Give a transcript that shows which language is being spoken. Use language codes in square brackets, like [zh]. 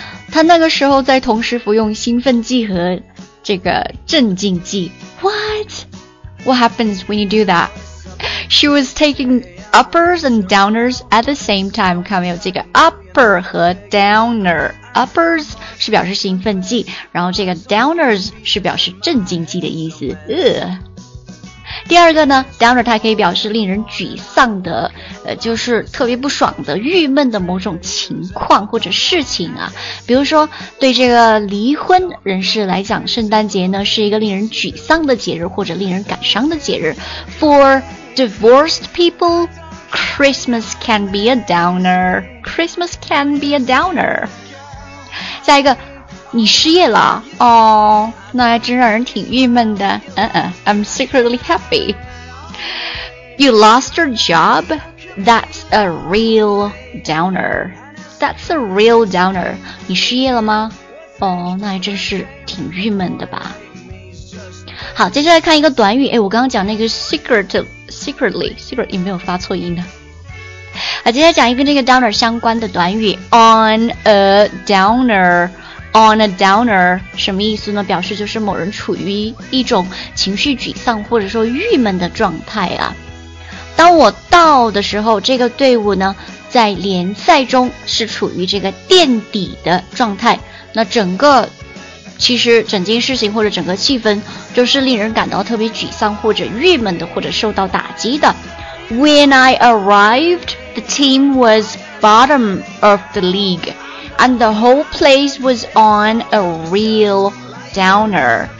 [zh] 他那个时候在同时服用兴奋剂和这个镇静剂。 [en] What? What happens when you do that? She was taking uppers and downers at the same time. [zh] 看没有这个 upper 和 downer。Uppers 是表示兴奋剂，然后这个 downers 是表示镇静剂的意思。第二个呢 ，downer 它可以表示令人沮丧的，就是特别不爽的、郁闷的某种情况或者事情啊。比如说，对这个离婚人士来讲，圣诞节呢是一个令人沮丧的节日或者令人感伤的节日。 [en] For divorced people, Christmas can be a downer. Christmas can be a downer. [zh] 下一个，你失业了哦，那还真让人挺郁闷的。 [en] I'm secretly happy. You lost your job? That's a real downer. That's a real downer. [zh] 你失业了吗？哦，那还真是挺郁闷的吧。好，接下来看一个短语。哎，我刚刚讲那个 secretly 也没有发错音的。啊，接下来讲一个这个 downer 相关的短语 on a downer 什么意思呢？表示就是某人处于一种情绪沮丧或者说郁闷的状态啊。当我到的时候，这个队伍呢在联赛中是处于这个垫底的状态，那整个其实整件事情或者整个气氛就是令人感到特别沮丧或者郁闷的或者受到打击的。 [en] When I arrived, the team was bottom of the league, and the whole place was on a real downer.